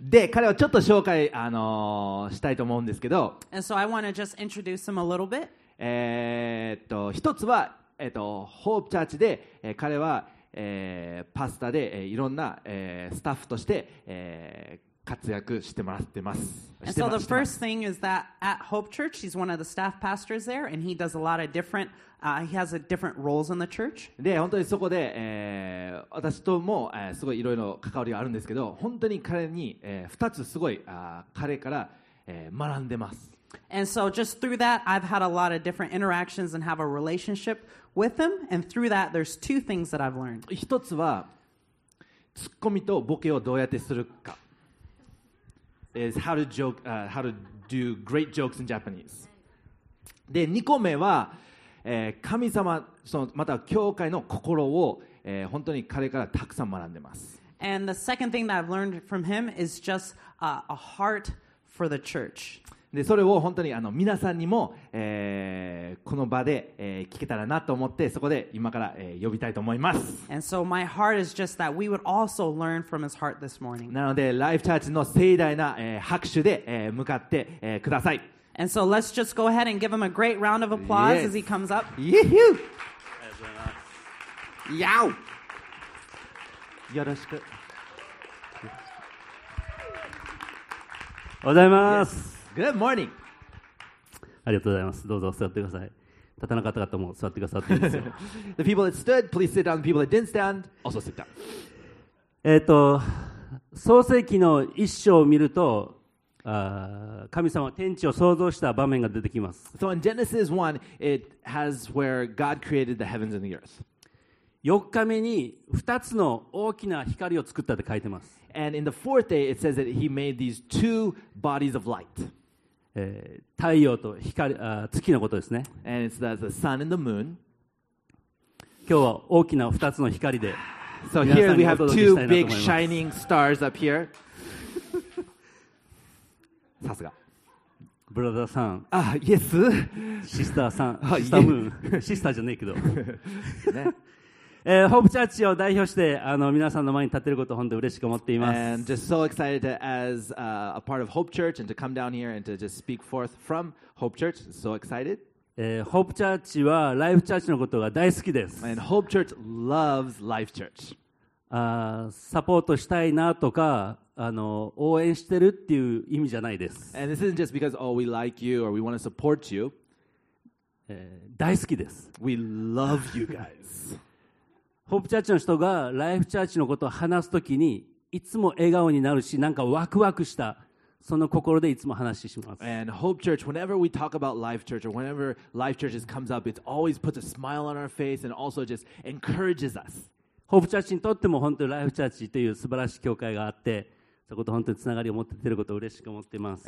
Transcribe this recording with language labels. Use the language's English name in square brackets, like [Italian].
[Japanese] で、彼をちょっと紹介、したいと思うんですけど。 [English] And so I want to just introduce him a little bit. [Japanese] 一つは、ホープチャーチで、彼は、パスタで、いろんな、スタッフとして、活躍してもらってます。 [English] And so the first thing is that at Hope Church, he's one of the staff pastors there, and he does a lot of different, he has a different roles in the church. [Japanese] で、本当にそこで、私とも、すごいいろいろ関わりがあるんですけど、本当に彼に、二つすごい、彼から、学んでます。 [English] And so just through that, I've had a lot of different interactions and have a relationship with him. And through that, there's two things that I've learned. [Japanese] 一つは、ツッコミとボケをどうやってするか。 [English] Is how to joke, how to do great jokes in Japanese. [Japanese] で、二個目は、神様、または教会の心を、本当に彼からたくさん学んでます。 [English] And the second thing that I've learned from him is just a heart for the church. [Japanese] でそれを本当にあの皆さんにも、この場で、聞けたらなと思ってそこで今から、呼びたいと思います。 [English] And so my heart is just that we would also learn from his heart this morning. [Japanese] なのでライフチャーチの盛大な、拍手で、向かって、ください。 [English] And so let's just go ahead and give him a great round of applause、yes. as he comes up. Yee-hoo! Yow! [Japanese] よろしく。おはようございます。 [English] Yes. Good morning. [Japanese] ありがとうございます。どうぞ座ってください。立たなかった方も座ってくださっていいですよ。 [English] The people that stood, please sit down. The people that didn't stand, also sit down. [Japanese] 創世記の一章を見ると、神様は天地を創造した場面が出てきます。 [English] So in Genesis 1, it has where God created the heavens and the earth. [Japanese] 四日目に二つの大きな光を作ったって書いてます。 [English] And in the fourth day, it says that he made these two bodies of light. [Japanese] 太陽と光、月のことですね。 [English] And it's the sun and the moon. [Japanese] 今日は大きな二つの光で。 [English] So here we have two big shining stars up here. [Japanese] さすが。ブラザーさん。 [English] あ、イエス。 [Japanese] シスターさん。シスタームーン。シスターじゃねえけど。ね。ホープチャーチを代表してあの皆さんの前に立てることを本当に嬉しく思っています。 [English] And just so excited as a part of Hope Church and to come down here and to just speak forth from Hope Church. So excited. [Japanese] ホープチャーチはライフチャーチのことが大好きです。 [English] And Hope Church loves Life Church. [Japanese] サポートしたいなとかあの応援してるっていう意味じゃないです。 [English] And this isn't just because, oh, we like you or we want to support you. [Japanese] 大好きです。 [English] We love you guys. [Japanese] ホープチャーチの人がライフチャーチのことを話すときにいつも笑顔になるしなんかワクワクしたその心でいつも話します。 [English] And Hope Church, whenever we talk about Life Church or whenever Life Church comes up, it always puts a smile on our face and also just encourages us. [Japanese] ホープチャーチにとっても本当にライフチャーチという素晴らしい教会があってそこと本当につながりを持っていることを嬉しく思っています。